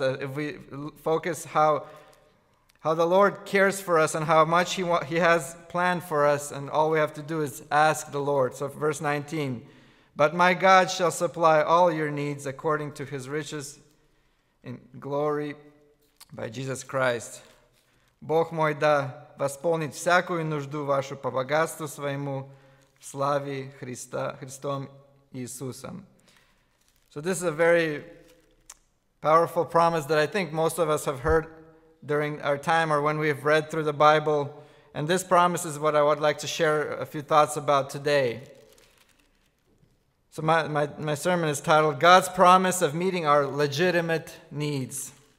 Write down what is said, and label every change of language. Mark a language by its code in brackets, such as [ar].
[en] If we focus how the Lord cares for us and how much he has planned for us, and all we have to do is ask the Lord. So verse 19, but my God shall supply all your needs according to his riches in glory by Jesus Christ. [ru] Бог мой да восполнит всякую нужду вашу по богатству своему в славе Христа, Христом Иисусом. [en] So this is a very powerful promise that I think most of us have heard during our time or when we've read through the Bible. And this promise is what I would like to share a few thoughts about today. So my sermon is titled, God's Promise of Meeting Our Legitimate Needs.